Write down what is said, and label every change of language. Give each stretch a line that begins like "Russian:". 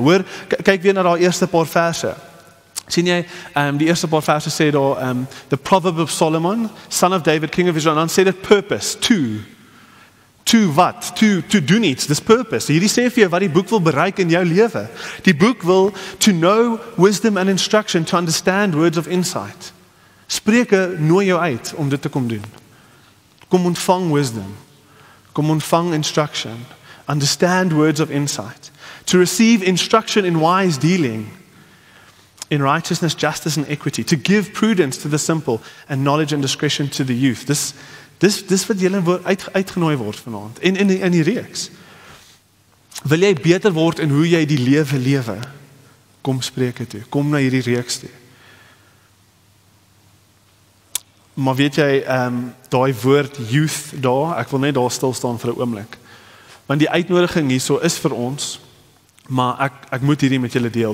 Afrikaans: Hoor, kyk weer na daai eerste paar verse. Sien jy, die eerste paar verse sê daar,
English: the proverb of Solomon, son of David, king of Israel, and said it purpose, to what? To do needs, this purpose.
Afrikaans: Hierdie sê vir jou wat die boek wil bereik in jou lewe. Die boek wil
English: to know wisdom and instruction, to understand words of insight.
Afrikaans: Spreuke nooi jou uit om dit te kom doen. Kom ontvang wisdom. Kom ontvang instruction.
English: Understand words of insight. To receive instruction in wise dealing. In righteousness, justice and equity. To give prudence to the simple and knowledge and discretion to the youth.
Afrikaans: Dis wat julle uitgenooi word vanaand. In die reeks. Wil jy beter word in hoe jy die lewe lewe? Kom Spreuke toe. Kom na hierdie reeks toe. Maar weet jy, daai woord youth daar, ek wil net daar stilstaan vir 'n oomblik. Want die uitnodiging hierso is vir ons, maar ek moet hierdie met julle deel.